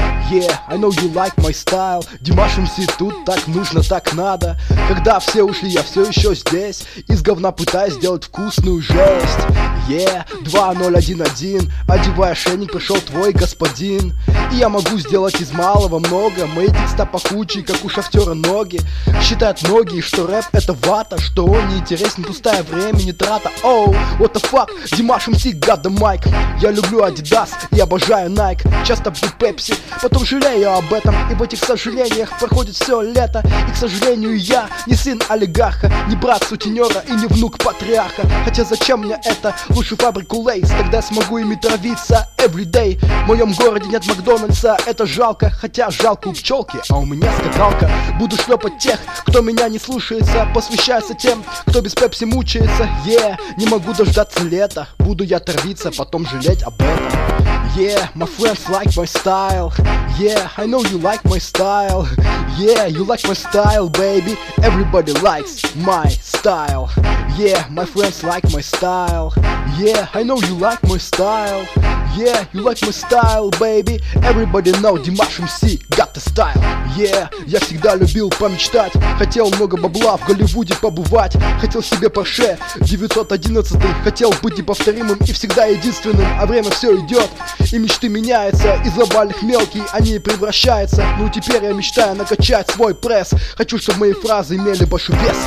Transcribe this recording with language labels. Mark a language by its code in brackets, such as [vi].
[en] Yeah, I know you like my style. [ru] Димаш МС, тут так нужно, так надо. Когда все ушли, я все еще здесь. Из говна пытаюсь сделать вкусную жесть. [en] Yeah, 2011. [ru] Одевая ошейник, пришел твой господин. И я могу сделать из малого много. Мои текста пахучие, как у шахтера ноги. Считают многие, что рэп это вата. Что он неинтересен, пустая времени трата. [en] Oh, what the fuck, Димаш МС, got the mic. [ru] Я люблю Adidas и обожаю Nike. Часто пью Pepsi, потом жалею об этом. И в этих сожалениях проходит все лето. И к сожалению я не сын олигарха, не брат сутенера и не внук патриарха. Хотя зачем мне это, лучше фабрику Лейс. Тогда я смогу ими травиться everyday. В моем городе нет Макдональдса, это жалко. Хотя жалко у пчелки, а у меня скакалка. Буду шлепать тех, кто меня не слушается. Посвящается тем, кто без пепси мучается. Yeah, не могу дождаться лета. Буду я травиться, потом жалеть об этом. [en] Yeah, my friends like my style. Yeah, I know you like my style. Yeah, you like my style, baby. Everybody likes my style. Yeah, my friends like my style. Yeah, I know you like my style. Yeah, you like my style, baby. Everybody know Димаш МС got the style. [ru] Yeah, я всегда любил помечтать. Хотел много бабла в Голливуде побывать. Хотел себе Porsche 911. Хотел быть неповторимым и всегда единственным. А время все идет, и мечты меняются. Из глобальных мелких они превращаются. Ну теперь я мечтаю накачать свой пресс. Хочу, чтобы мои фразы имели большой вес.